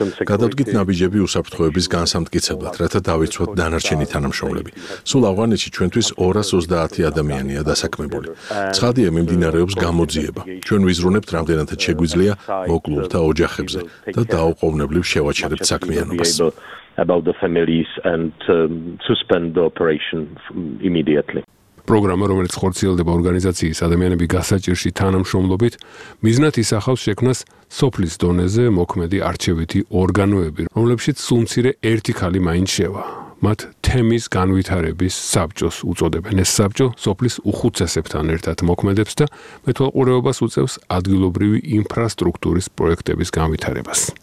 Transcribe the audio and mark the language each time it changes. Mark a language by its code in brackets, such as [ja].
[ka] გადავდგით ნაბიჯები უსაფრთხოების განსამტკიცებლად, რათა დავიცვათ დანარჩენი თანამშრომლები. სულ ავღანეთში ჩვენთვის 230 ადამიანია დასაქმებული. ცხადია, მიმდინარეობს გამოძიება. ჩვენ ვიზრუნებთ, რამდენადაც შეგვიძლია მოკლულთა ოჯახებზე და დაუყოვნებლივ შევაჩერებთ საქმიანობას. [en] About the families and suspend the operation immediately. [ka] Programma, რომელიც ხორციელდება ორგანიზაციის ადამიანების გასაჭირში თანამშრომლობით, მიზნად ისახავს შექმნას სოფლის დონეზე მოქმედი არჩევითი ორგანოები, რომლებშიც სულ მცირე ერთი ქალი მაინც შევა. მათ თემის განვითარების საბჭოს უწოდებენ. ეს საბჭო სოფლის უხუცესებთან ერთად მოქმედებს და მეთვალყურეობას უწევს ადგილობრივი ინფრასტრუქტურის პროექტების განვითარებას.